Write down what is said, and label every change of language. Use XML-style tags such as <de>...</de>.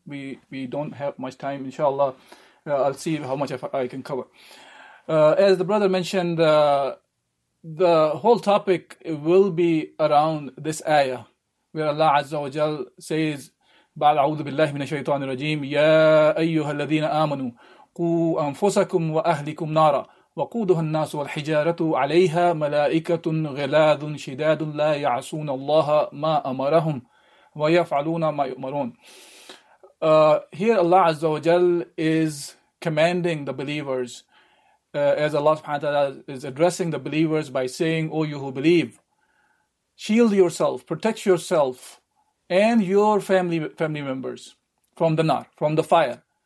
<en>We don't have much time, inshallah. I'll see how much I can cover. As the brother mentioned, the whole topic will be around this ayah, where Allah Azza wa Jal says,</en> <ar>بعد أعوذ بالله من الشيطان الرجيم يا أيها الذين آمنوا قوا أنفسكم وأهلكم نارا وقودها الناس والحجارة عليها ملائكة غلاظ شداد لا يعصون الله ما أمرهم ويفعلون ما يؤمرون.</ar> <en>Here Allah Azza wa Jal is commanding the believers, as Allah subhanahu wa ta'ala is addressing the believers by saying, O you who believe, shield yourself, protect yourself and your family members from the nar, from the fire.</en>